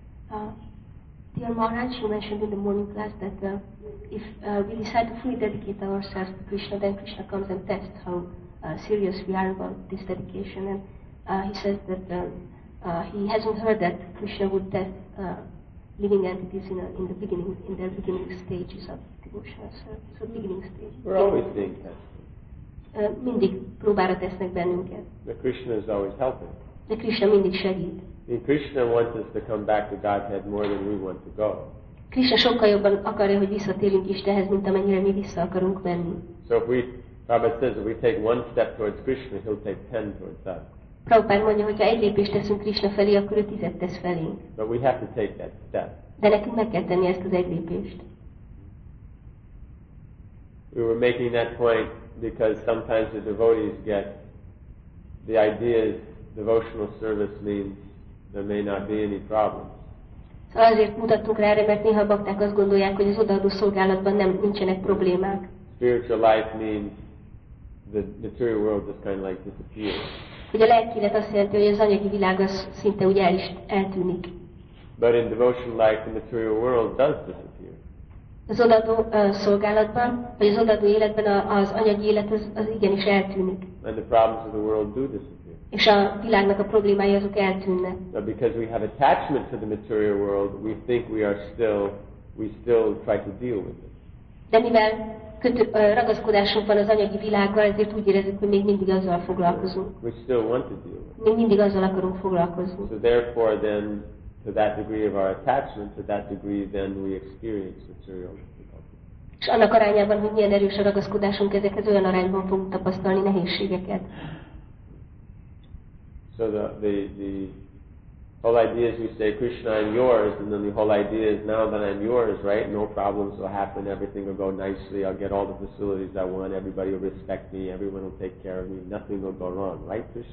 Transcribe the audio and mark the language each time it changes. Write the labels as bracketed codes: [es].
[en] Dear Maharaj, you mentioned in the morning class that if we decide to fully dedicate ourselves to Krishna, then Krishna comes and tests how serious we are about this dedication. And he says that he hasn't heard that Krishna would test living entities in the beginning, in their beginning stages of devotional service, so beginning stage. We're always being tested. [hu] Mindig próbára tesznek bennünket. [en] The Krishna is always helping. [hu] De Krishna mindig segít. [en] And Krishna wants us to come back to Godhead more than we want to go. [hu] Krishna sokkal jobban akarja, hogy visszatérjünk Istenhez, mint amennyire mi vissza akarunk menni. [en] So if we, Prabhupada says, if we take one step towards Krishna, he'll take 10 towards us. [hu] Prabhupada mondja, hogyha egy lépést teszünk Krishna felé, akkor ő 10-et tesz felénk. [en] But we have to take that step. [hu] De nekünk meg kell tenni ezt az egy lépést. [en] We were making that point because sometimes the devotees get the ideas devotional service means there may not be any problems. [hu] So azért mutattuk rá erre, mert néha bakták azt gondolják, hogy az odaadó szolgálatban nem nincsenek problémák. [en] Spiritual life means the material world is kind of like disappears. [hu] Ugye a lelki élet azt jelenti, hogy az anyagi világ az szinte úgy el is eltűnik. [en] But in devotional life, the material world does disappear. [hu] Az odaadó szolgálatban, vagy az odaadó életben az anyagi élet az igenis eltűnik. [en] And the problems of the world do disappear. [hu] És a világnak a problémái azok eltűnnek. [en] But because we have attachment to the material world, we think we still try to deal with it. [hu] De mivel ragaszkodásunk van az anyagi világgal, ezért úgy érezzük, hogy még mindig azzal foglalkozunk. [en] We still want to deal with it. [hu] Még mindig azzal akarunk foglalkozni. [en] So therefore then, to that degree of our attachment, to that degree then we experience material difficulties. [hu] És annak arányában, hogy milyen erős a ragaszkodásunk, ezekhez olyan arányban fogunk tapasztalni nehézségeket. [en] So the whole idea is we say, Krishna, I'm yours, and then the whole idea is now that I'm yours, right, no problems will happen, everything will go nicely, I'll get all the facilities I want, everybody will respect me, everyone will take care of me, nothing will go wrong, right, Krishna?